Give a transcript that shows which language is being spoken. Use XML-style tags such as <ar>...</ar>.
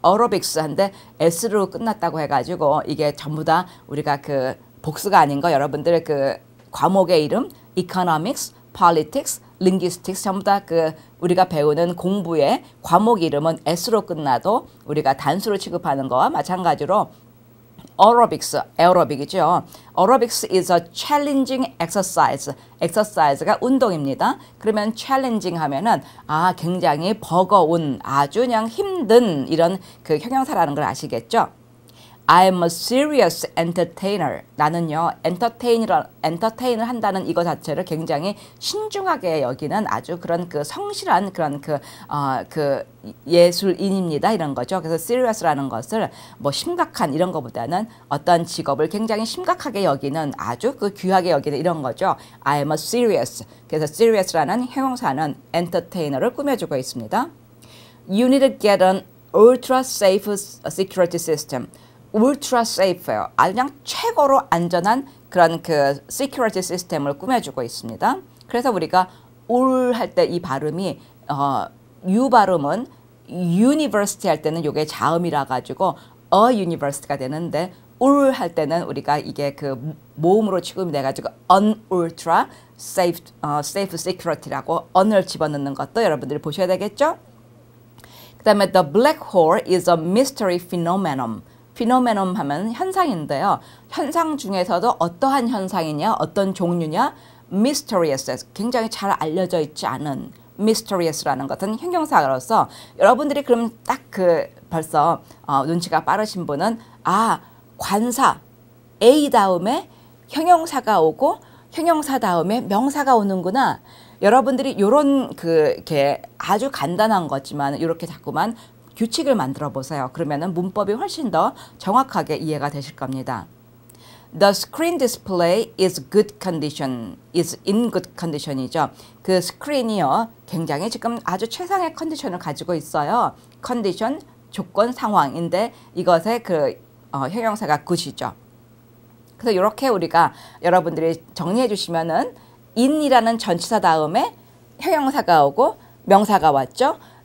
<ko>에어로빅스한데 S로 끝났다고 해가지고 이게 전부 다 우리가 그 복수가 아닌 거 여러분들의 그 과목의 이름, economics, politics, linguistics 전부 다그 우리가 배우는 공부의 과목 이름은 S로 끝나도 우리가 단수로 취급하는 거와 마찬가지로 aerobics, 에어로빅이죠.</ko> <en>aerobics is a challenging exercise.</en> <ko>exercise가 운동입니다. 그러면 challenging 하면은 굉장히 버거운, 아주 그냥 힘든 이런 그 형용사라는 걸 아시겠죠?</ko> <en>I'm a serious entertainer.</en> <ko>나는요, 엔터테인을 한다는 이거 자체를 굉장히 신중하게 여기는 아주 그런 그 성실한 그런 그, 그 예술인입니다. 이런 거죠. 그래서 serious라는 것을 뭐 심각한 이런 것보다는 어떤 직업을 굉장히 심각하게 여기는 아주 그 귀하게 여기는 이런 거죠.</ko> <en>I'm a serious.</en> <ko>그래서 serious라는 형용사는 엔터테이너를 꾸며주고 있습니다.</ko> <en>You need to get an ultra safe security system. Ultra safe요.</en> <ko>그냥 최고로 안전한 그런 그 시큐리티 시스템을 꾸며주고 있습니다. 그래서 우리가 울할때이 발음이 유 발음은 유니버시티 할 때는 이게 자음이라 가지고 유니버시티가 되는데 울할 때는 우리가 이게 그 모음으로 취급이 돼 가지고</ko> <en>unultra safe safe security</en> <ko>라고 언을 집어넣는 것도 여러분들이 보셔야 되겠죠? 그다음에</ko> <en>the black hole is a mystery phenomenon.</en> <ko>피노메놈 하면 현상인데요. 현상 중에서도 어떠한 현상이냐, 어떤 종류냐?</ko> <en>mysterious.</en> <ko>굉장히 잘 알려져 있지 않은 mysterious라는 것은 형용사로서 여러분들이 그럼 딱그 벌써 눈치가 빠르신 분은 관사 A 다음에 형용사가 오고 형용사 다음에 명사가 오는구나. 여러분들이 요런 그게 아주 간단한 거지만 이렇게 자꾸만 규칙을 만들어 보세요. 그러면은 문법이 훨씬 더 정확하게 이해가 되실 겁니다.</ko> <en>The screen display is good condition, is in good condition이죠.</en> <ko>그 스크린이요. 굉장히 지금 아주 최상의 컨디션을 가지고 있어요. 컨디션, 조건, 상황인데 이것의 그 형용사가 good이죠. 그래서 이렇게 우리가 여러분들이 정리해 주시면은 in이라는 전치사 다음에 형용사가 오고 명사가 왔죠.</ko>